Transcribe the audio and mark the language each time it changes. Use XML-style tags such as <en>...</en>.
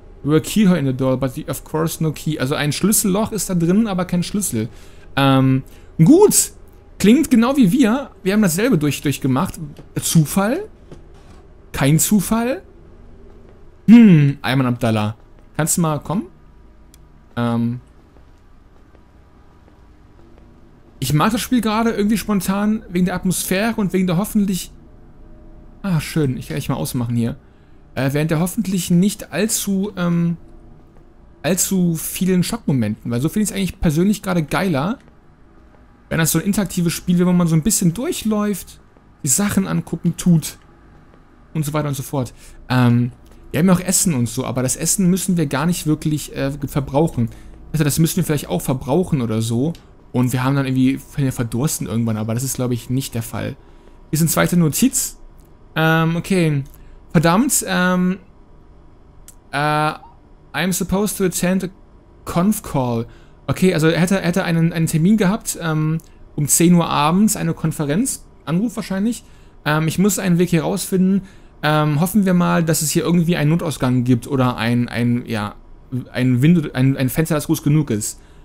<en>There were keyhole in the door, but of course no key.</en> <de>Also ein Schlüsselloch ist da drin, aber kein Schlüssel. Gut. Klingt genau wie wir. Wir haben dasselbe durchgemacht. Zufall? Kein Zufall? Ayman Abdallah. Kannst du mal kommen? Ich mag das Spiel gerade irgendwie spontan wegen der Atmosphäre und wegen der hoffentlich... Ah, schön. Ich kann echt mal ausmachen hier. Während der hoffentlich nicht allzu vielen Schockmomenten. Weil so finde ich es eigentlich persönlich gerade geiler, wenn das so ein interaktives Spiel wird, wo man so ein bisschen durchläuft, die Sachen angucken tut und so weiter und so fort. Wir haben ja auch Essen und so, aber das Essen müssen wir gar nicht wirklich verbrauchen. Also das müssen wir vielleicht auch verbrauchen oder so. Und wir haben dann irgendwie verdursten irgendwann, aber das ist, glaube ich, nicht der Fall. Hier ist eine zweite Notiz. Okay. Verdammt,</de> <en>I'm supposed to attend a conf call.</en> <de>Okay, also er hätte einen Termin gehabt, um 10 Uhr abends, eine Konferenz, Anruf wahrscheinlich. Ich muss einen Weg hier rausfinden. Hoffen wir mal, dass es hier irgendwie einen Notausgang gibt oder ein Fenster, das groß genug ist.</de>